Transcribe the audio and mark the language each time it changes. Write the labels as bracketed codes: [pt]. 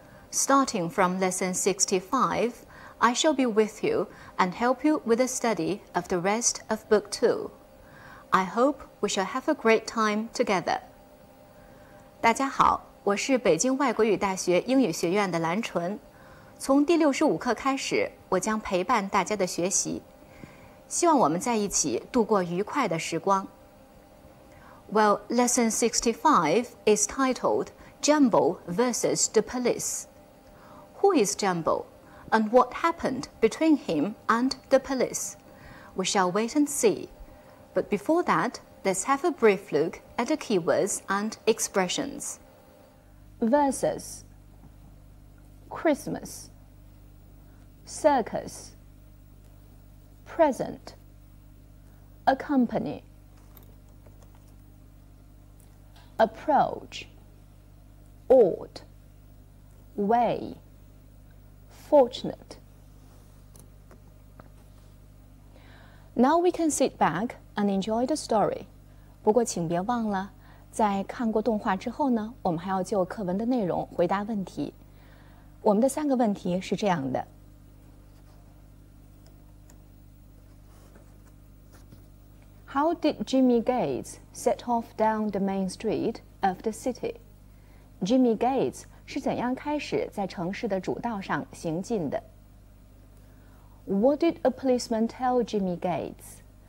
[en] Starting from lesson 65, I shall be with you and help you with the study of the rest of book 2. I hope we shall have a great time together. [zh] 大家好，我是北京外国语大学英语学院的蓝纯。从第65课开始，我将陪伴大家的学习。希望我们在一起度过愉快的时光。 [en] Well, lesson 65 is titled Jumbo versus the police. Who is Jumbo? And what happened between him and the police? We shall wait and see. But before that, let's have a brief look at the keywords and expressions. Versus Christmas Circus Present Accompany Approach Ought Way Fortunate Now we can sit back and enjoy the story. [zh] 不过请别忘了，在看过动画之后呢，我们还要就课文的内容回答问题。我们的三个问题是这样的。 [en] How did Jimmy Gates set off down the main street of the city? [zh] Jimmy Gates 是怎样开始在城市的主道上行进的？ [en] What did a policeman tell Jimmy Gates?